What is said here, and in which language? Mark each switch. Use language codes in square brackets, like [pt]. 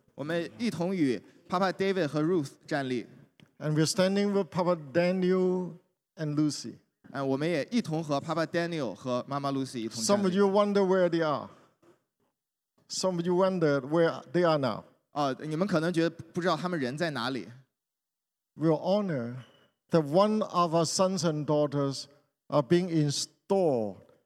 [zh] 我们一同与 Papa David 和 Ruth 站立。 [en] And we are standing with Papa Daniel and Lucy. [zh] 我们也一同和 Papa Daniel 和妈妈 Lucy 一同站立。 [en] Some of you wonder where they are. Some of you wonder where they are now. [zh] 你们可能觉得不知道他们人在哪里。 [en] We are honored that one of our sons and daughters are being installed.